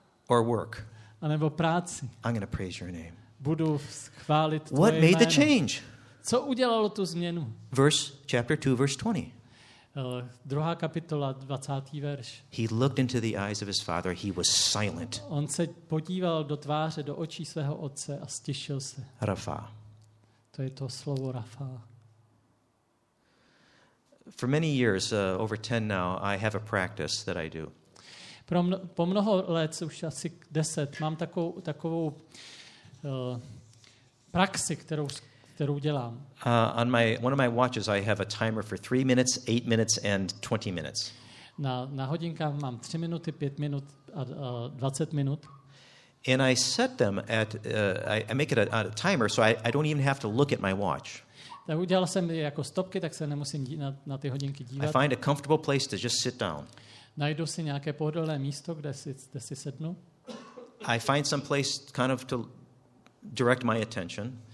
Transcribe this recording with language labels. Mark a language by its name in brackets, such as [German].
[English] or work. [Czech] A nebo práci. [English] I'm going to praise your name. [Czech] Budu chválit tvoje jméno. Co udělalo tu změnu? [English] Verse chapter 2 verse 20. [Czech] Druhá kapitola, 20. verš. [English] He looked into the eyes of his father, he was silent. [Czech] On se podíval do tváře, do očí svého otce a stišil se. [English] Rafa. [Czech] To je to slovo Rafa. [English] For many years, over 10 now, I have a practice that I do. [Czech] Po mnoho let, už asi 10, mám takovou praxi, kterou dělám. [English] One of my watches I have a timer for 3 minutes, 8 minutes and 20 minutes. [Czech] Na hodinkách mám 3 minuty, 5 minut a 20 minut. [English] And I set them at I make it a timer so I don't even have to look at my watch. [Czech] Tak udělal jsem jako stopky, tak se nemusím na ty hodinky dívat. [English] I find a comfortable place to just sit down. [Czech] Najdu si nějaké pohodlné místo, kde si sednu. [English] I find some place kind of to direct my attention.